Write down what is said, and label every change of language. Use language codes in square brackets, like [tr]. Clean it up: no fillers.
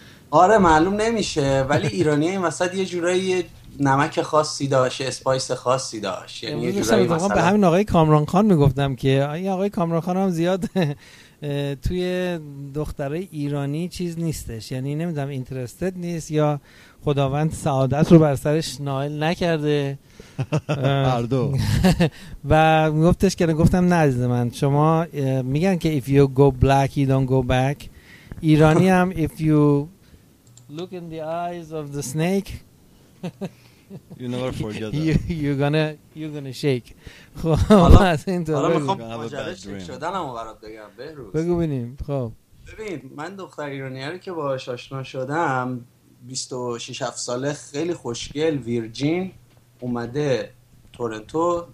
[fa] آره معلوم نمیشه، ولی ایرانی این وسط یه جورایی نمک خاصی داشت، اسپایس خاصی داشت، یعنی یه جورایی مثلا به همین آقای کامران خان میگفتم که این آقای کامران خان هم زیاد توی دختره ایرانی چیز نیستش، یعنی نمیدونم اینترستد نیست یا خداوند سعادت رو بر سرش نائل نکرده هر دو. و میگفتش که گفتم نه عزیز من، شما میگن که [en] if you go black you don't go back، [fa] ایرانی هم [en] if you look in the eyes of the snake you never forget you're gonna shake. خب [fa] حالا این تو رو میخوام ماجرش شدنمو برات بگم بهروز. بگو ببینیم. خب ببین، من دختر ایرانی رو که باهاش آشنا شدم 26 7 ساله، خیلی خوشگل، ویرجین، اومده تورنتو.